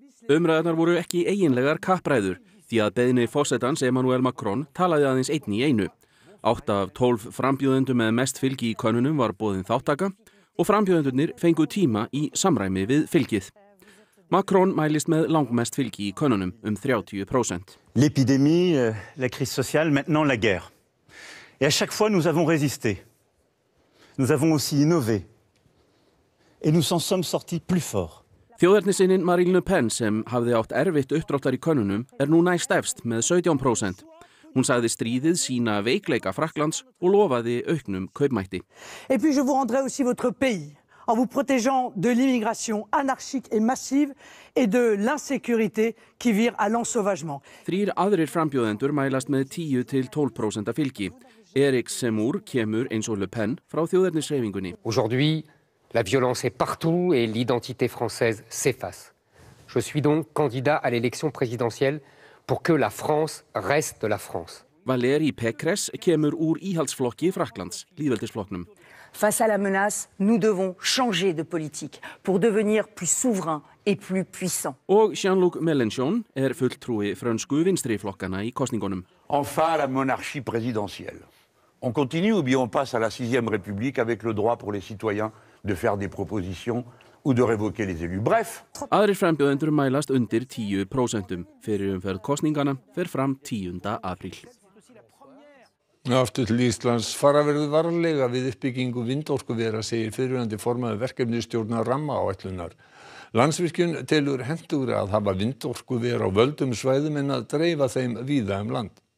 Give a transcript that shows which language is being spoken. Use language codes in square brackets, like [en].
[is] Umræðurnar voru ekki eiginlegar kappræður því að beiðni forsetans Emmanuel Macron talaði aðeins einn í einu. 8 af 12 frambjóðendum með mest fylgi í könnunum var boðin þáttaka. Og frambjóðendurnir fengu tíma í samræmi við fylgið. Macron mælist með langmest fylgi í könnunum 30%. [fr] L'épidémie, la crise sociale, maintenant la guerre. Et à chaque fois nous avons résisté. Nous avons aussi innové. Et nous en sommes sortis plus fort. [is] Þjóðernissinnin Marine Le Pen sem hafði átt erfitt uppdráttar í könnunum nú næst efst með 17%. Hún sagði stríðið sína veikleika Frakklands og lofaði auknum kaupmætti. [fr] Et puis je vous rendrai aussi votre pays en vous protégeant de l'immigration anarchique et massive et de l'insécurité qui vire à l'ensauvagement. [is] Þrír aðrir frambjóðendur mælast með 10-12% af fylgi. Eric Zemmour kemur eins og Le Pen frá þjóðernishreyfingunni. [fr] Aujourd'hui, la violence est partout et l'identité française s'efface. Je suis donc candidat à l'élection présidentielle pour que la France reste la France. [is] Valérie Pécresse kemur úr íhaldsflokki Frakklands, lýðveldisflokknum. [fr] Face à la menace, nous devons changer de politique pour devenir plus souverain et plus puissant. [is] Og Jean-Luc Mélenchon er fulltrúi frönsku vinstriflokkana í kosningunum. [fr] Enfin la monarchie présidentielle. On continue ou bien on passe à la 6e République avec le droit pour les citoyens de faire des propositions ou de révoquer les élus. Bref. [is] Aðrir frambjóðendur mælast undir 10% fyrir umferð kosninganna fer fram 10. apríl. Aftur til Íslands, fara verður varlega við uppbyggingu vindorkuvera, segir fyrirverandi formaður verkefnisstjórnar rammaáætlunar. Landsvirkjun telur hentugra að hafa vindorkuver á völdum svæðum en að dreifa þeim víða land.